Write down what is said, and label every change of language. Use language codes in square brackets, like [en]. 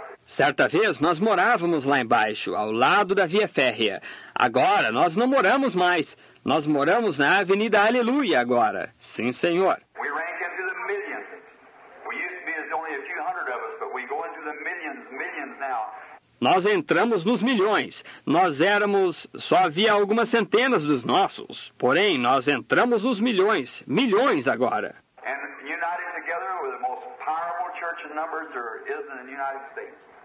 [pt] Certa vez, nós morávamos lá embaixo, ao lado da Via Férrea. Agora, nós não moramos mais. Nós moramos na Avenida Aleluia agora. Sim, senhor. [en] We rank into the millions. We used to be only a few hundred of us, but we go into the millions, millions now. [pt] Nós entramos nos milhões. Nós éramos... só havia algumas centenas dos nossos. Porém, nós entramos nos milhões, milhões agora. [en] And united together with the most powerful church in numbers there is in the United States.